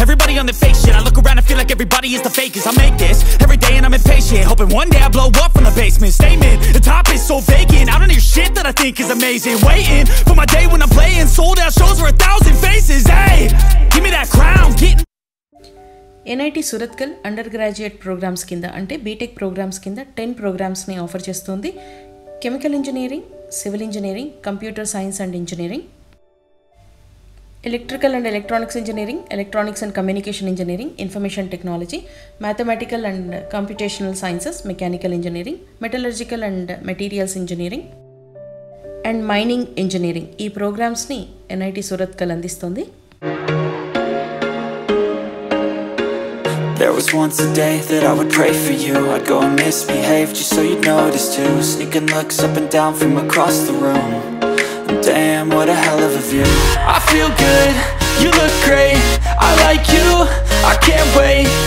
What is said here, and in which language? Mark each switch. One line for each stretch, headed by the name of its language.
English: Everybody on the fake shit. I look around and feel like everybody is the fakest. I make this every day and I'm impatient, hoping one day I blow up from the basement. Statement, the top is so vacant. I don't hear shit that I think is amazing. Waiting for my day when I'm playing sold out shows for 1,000 faces. Hey, give me that crown.
Telugu: NIT Suratkal under graduate programmes కింద, అంటే BTech programmes కింద 10 programmes ని offer చేస్తుంది. Chemical engineering, civil engineering, computer science and engineering, electrical and electronics engineering, electronics and communication engineering, information technology, mathematical and computational sciences, mechanical engineering, metallurgical and materials engineering, and mining engineering. ఈ ప్రోగ్రామ్స్ని NIT Surathkal అందిస్తుంది.
English: There was once a day that I would pray for you. I'd go and misbehave just so you'd notice too. Sneaking looks up and down from across the room. Damn, what a hell of a view. I feel good, you look great. I like you, I can't wait.